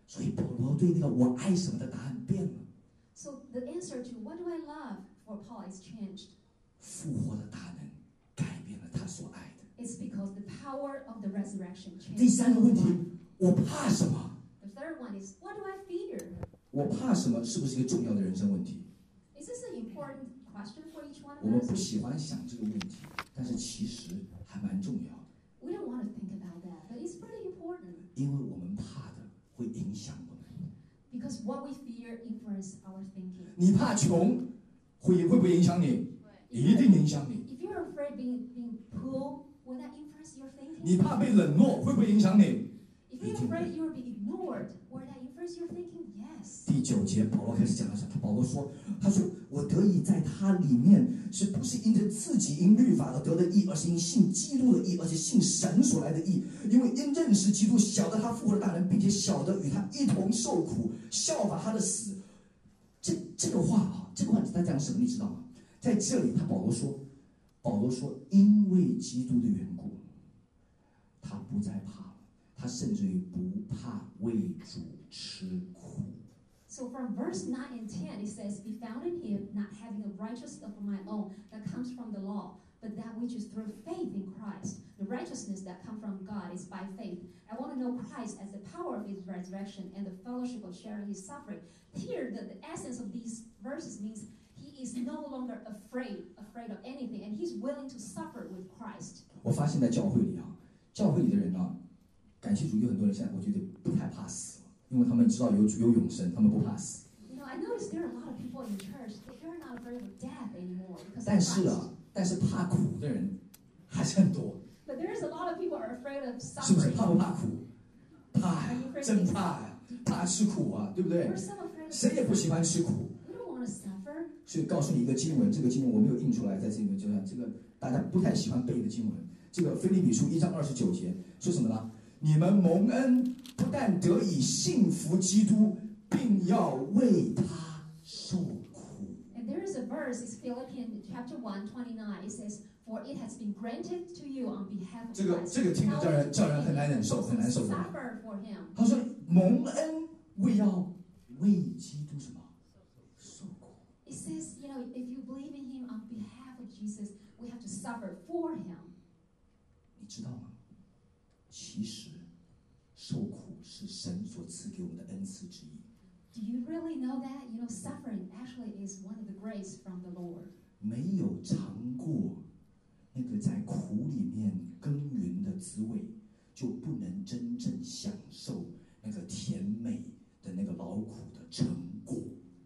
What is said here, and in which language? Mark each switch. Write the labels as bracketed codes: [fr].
[zh] 所以保罗对那个我爱什么的答案变了。 [en] So the answer to what do I love for Paul is changed. [zh] 复活的大能改变了他所爱的。 [en] It's because the power of the resurrection changed. [zh] 第三个问题，我怕什么 [en] ？The third one is what do I fear? [zh] 我怕什么是不是一个重要的人生问题 [en] ？Is this an important? For each one of us. [zh] 我们不喜欢想这个问题，但是其实还蛮重要的。 [en] We don't want to think about that, but it's pretty important. [zh] 因为我们怕的会影响我们。 [en] Because what we fear influences our thinking. [zh] 你怕穷，会不会影响你？一定影响你。 [en] If you're afraid being poor, will that influence your thinking? [zh] 你怕被冷落，会不会影响你？ [en] If you're afraid you'll be ignored, will that influence your thinking? Yes. [zh] 第九节，保罗开始讲了什么？保罗说，他说。我得以在他里面，是不是因着自己因律法而得的义，而是因信基督的义，而且信神所来的义？因为因认识基督，晓得他复活的大能，并且晓得与他一同受苦，效法他的死。这个话他讲什么？你知道吗？在这里，保罗说，因为基督的缘故，他不再怕了，他甚至于不怕为主吃苦。 [en] So from verse 9 and 10, it says, Be found in him, not having a righteousness of my own that comes from the law, but that which is through faith in Christ. The righteousness that comes from God is by faith. I want to know Christ as the power of his resurrection and the fellowship of sharing his suffering. Here, the essence of these verses means he is no longer afraid of anything, and he's willing to suffer with Christ. [zh] 我发现在教会里，教会里的人，感谢主，有很多人现在我觉得不太怕死。因为他们知道有主有永生，他们不怕死。 [en] You know, I noticed there are a lot of people in the church. They are not afraid of death anymore. [zh] 但是啊，但是怕苦的人还是很多。 [en] But there is a lot of people are afraid of suffering. [zh] 是不是怕不怕苦？怕，真怕，怕吃苦啊，对不对？谁也不喜欢吃苦。 [en] We don't want to suffer. [zh] 所以告诉你一个经文，这个经文我没有印出来，在这里面就像这个大家不太喜欢背的经文。这个腓立比书一章二十九节说什么呢？你们蒙恩，不但得以信服基督，并要为他受苦。 [en] And there is a verse, it's Philippians chapter 1:29. It says, "For it has been granted to you on behalf of Christ." [zh] 这个听着叫人很难忍受，很难受的。 [en] Suffer for him. [zh] 他说蒙恩，为要为基督什么受苦 [en] ？It says, you know, if you believe in him on behalf of Jesus, we have to suffer for him. [zh] 你知道吗？其实受苦是神所赐给我们的恩赐之一。 [en] Do you really know that? You know, suffering actually is one of the grace from the Lord. [zh] 没有尝过那个在苦里面耕耘的滋味，就不能真正享受那个甜美的那个劳苦的成果。